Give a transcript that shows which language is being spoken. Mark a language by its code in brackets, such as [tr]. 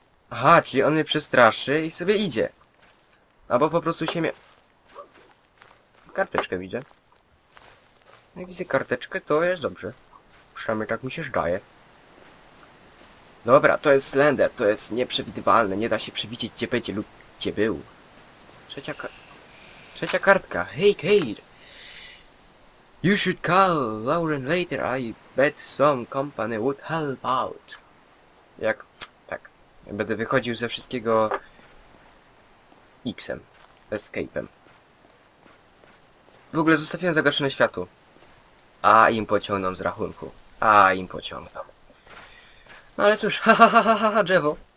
[pl] Aha, czyli on mnie przestraszy i sobie idzie. Albo po prostu się mnie... Karteczkę widzę. Jak widzę karteczkę, to jest dobrze. Przynajmniej tak mi się zdaje. Dobra, to jest Slender, to jest nieprzewidywalne. Nie da się przewidzieć, gdzie będzie lub gdzie był. Trzecia kartka. Hej, Kate. [en] You should call Lauren later, I bet some company would help out. [pl] Jak... tak. Będę wychodził ze wszystkiego... X-em. Escape'em. W ogóle zostawiłem zagaszone światło. A im pociągną z rachunku. A im pociągną. No ale cóż, ha, drzewo.